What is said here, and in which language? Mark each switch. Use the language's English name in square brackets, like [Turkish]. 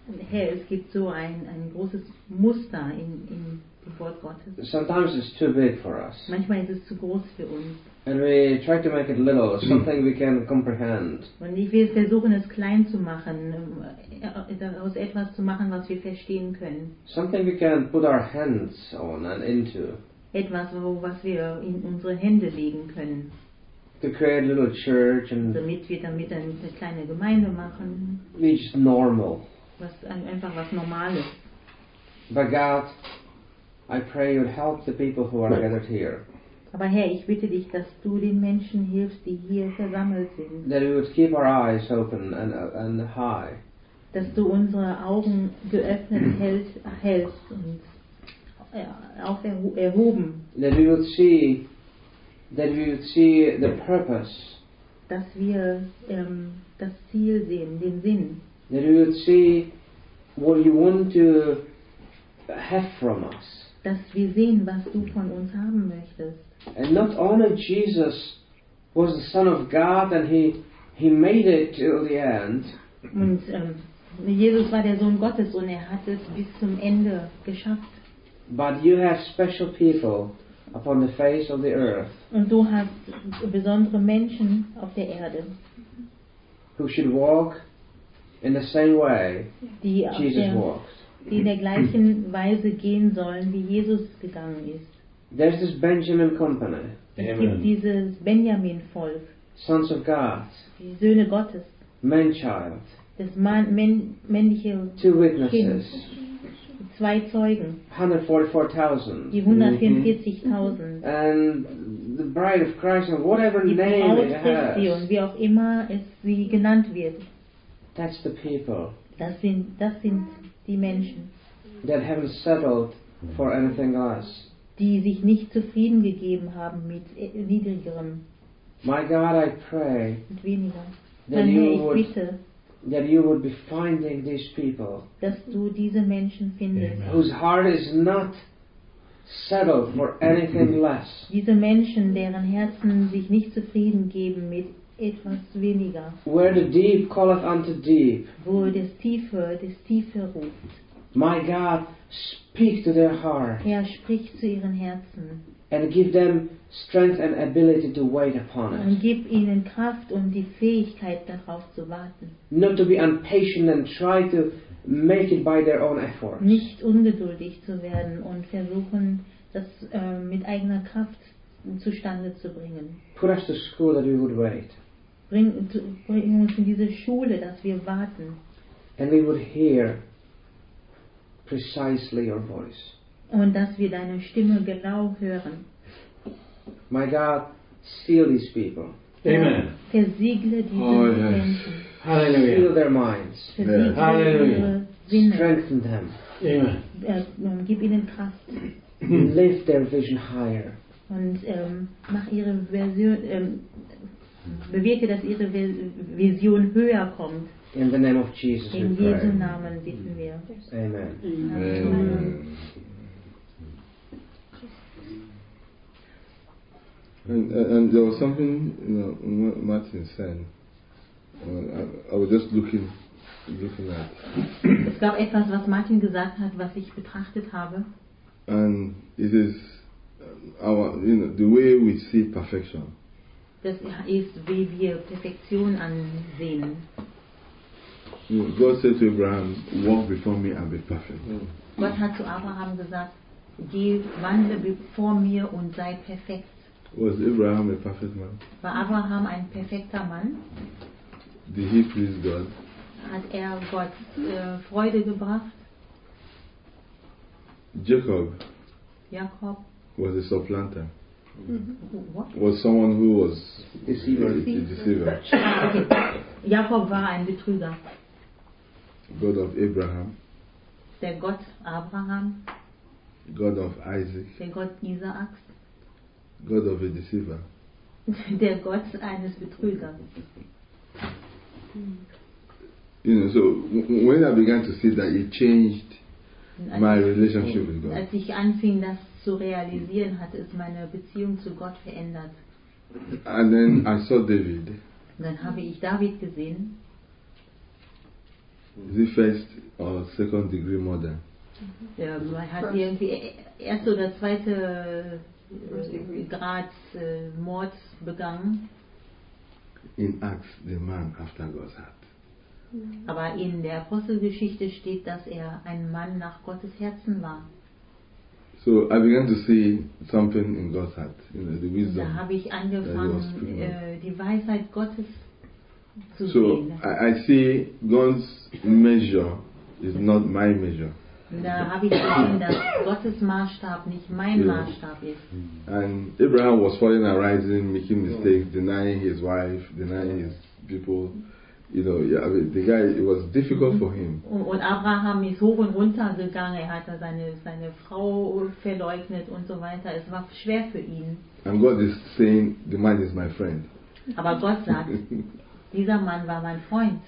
[German] Herr, es gibt so ein großes Muster in dem Wort Gottes. [English] Sometimes it's too big for us. [German] Manchmal ist es zu groß für uns. [English] And we try to make it little, something we can comprehend. [German] Und wir versuchen es klein zu machen, aus etwas zu machen, was wir verstehen können. [English] Something we can put our hands on and into. [German] Etwas, was wir in unsere Hände legen können. [English] To create a little church and [German] damit wir damit eine kleine Gemeinde machen. [English] Which is normal. [German] Einfach was Normales. [English] But God, I pray you'll help the people who are gathered here. [German] Aber Herr, ich bitte dich, dass du den Menschen hilfst, die hier versammelt sind. [English] That we would keep our eyes open and high. [German] Dass du unsere Augen geöffnet hältst und erhoben. [English] That we would see, that we would see the purpose. [German] Dass wir das Ziel sehen, den Sinn. [English] That we would see what you want to have from us. [German] Dass wir sehen, was du von uns haben möchtest. [English] And not only Jesus was the Son of God and he made it till the end. [German] Und Jesus war der Sohn Gottes und er hat es bis zum Ende geschafft. [English] But you have special people upon the face of the earth. [German] Und du hast besondere Menschen auf der Erde. [English] Who should walk in the same way Jesus walks. [German] Die in der gleichen Weise gehen sollen, wie Jesus gegangen ist. [English] There's this Benjamin Company. [German] Amen. Es gibt dieses Benjamin-Volk. [English] Sons of God. [German] Die Söhne Gottes. [English] Man-child. [German] Das männliche Kind. [English] Two witnesses. [German] Zwei Zeugen. [English] 144,000. [German] Die 144,000. [English] Mm-hmm. And the Bride of Christ and whatever [German] die [English] name [German] Braut [English] it Christi has. [German] Und wie auch immer es sie genannt wird. [English] That's the people. [German] Das sind die Menschen. [English] That haven't settled for anything else. [German] die sich nicht zufrieden gegeben haben mit niedrigerem. [English] My God, I pray [German] mit weniger. [English] That you would be finding these people, [German] dass du diese Menschen findest, [English] amen, whose heart is not settled for anything less. [German] Diese Menschen, deren Herzen sich nicht zufrieden geben mit etwas weniger. [English] Where the deep calleth unto deep. [German] Wo das Tiefe ruft. [English] My God, speak to their heart. [German] Herr, sprich zu ihren Herzen. [English] And give them strength and ability to wait upon it. [German] Und gib ihnen Kraft und die Fähigkeit darauf zu warten. [English] Not to be impatient and try to make it by their own efforts. [German] Nicht ungeduldig zu werden und versuchen, das mit eigener Kraft zustande zu bringen. [English] Put us to school that we would wait. [German] Bring uns in diese Schule, dass wir warten. [English] And we would hear precisely your voice. [German] Und dass wir deine Stimme genau hören. [English] My God, seal these people. Amen. [German] Versiegle diese Menschen. [English] Yes. Hallelujah. Seal their minds. Yes. Hallelujah. Strengthen them. Amen. [German] Gib ihnen Kraft. [English] Lift their vision higher. [German] Und mach ihre Vision, bewirke, dass ihre Vision höher kommt. [English] In the name of Jesus. [German] In Jesu Namen bitten wir. Amen. Amen. Amen. [English] And there was something, you know, Martin said. I was just looking at. [German] Es gab etwas, was Martin gesagt hat, was ich betrachtet habe. [English] And it is our, you know, the way we see perfection. [German] Das ist, wie wir Perfektion ansehen. [English] You know, God said to Abraham, "Walk before me and be perfect." [German] Gott hat zu Abraham gesagt, geh, wandle vor mir und sei perfekt. [English] Was Abraham a perfect man? [German] War Abraham ein perfekter Mann? [English] Did he please God? [German] Hat Gott Freude gebracht? [English] Jacob. Was a supplanter. What? Was someone who was a deceiver. [German] Okay. Jacob war ein Betrüger. [English] God of Abraham. [German] Der Gott Abraham. [English] God of Isaac. [German] Der Gott Isaaks. [English] God of a deceiver. [German] Der Gott eines Betrügers. [English] You know, so when I began to see that, it changed my relationship with God. [German] Als ich anfing, das zu realisieren, hat es meine Beziehung zu Gott verändert. [English] And then I saw David. [German] Dann habe ich David gesehen. [English] The first or second degree murder. [German] Ja, er hat irgendwie erst oder zweite Grad Mord begangen. [English] In Acts, the man after God's heart. [German] Aber in der Apostelgeschichte steht, dass er ein Mann nach Gottes Herzen war. [English] So I began to see something in God's heart, you know, the wisdom. [German] Da habe ich angefangen, die Weisheit Gottes zu [English] so [German] sehen. [English] So I see God's measure is not my measure. [German] Da habe ich gesehen, dass Gottes Maßstab nicht mein Maßstab ist. [English] And Abraham was falling and rising, making mistakes, denying his wife, denying his people. You know, yeah, I mean, the guy, it was difficult for him. [German] Und Abraham ist hoch und runter gegangen, er hat seine Frau verleugnet und so weiter. Es war schwer für ihn. [English] And God is saying, the man is my friend. [German] Aber Gott sagt, dieser Mann war mein Freund.